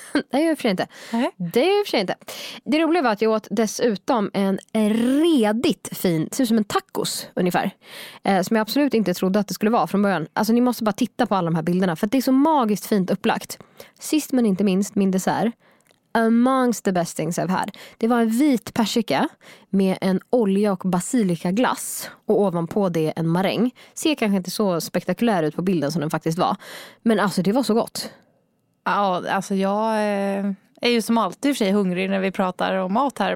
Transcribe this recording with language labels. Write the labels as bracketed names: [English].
[Swedish] Nej, det är ju inte. Det är ju för inte. Det roliga var att jag åt dessutom en redigt fin, ser ut som en tacos ungefär. Som jag absolut inte trodde att det skulle vara från början. Alltså ni måste bara titta på alla de här bilderna. För att det är så magiskt fint upplagt. Sist men inte minst, min dessert. [English] Amongst the best things I've had. [Swedish] Det var en vit persika med en olja och basilika glass. Och ovanpå det en maräng. Ser kanske inte så spektakulär ut på bilden som den faktiskt var. Men alltså det var så gott. Ja, alltså jag är ju som alltid i och för sig hungrig när vi pratar om mat här.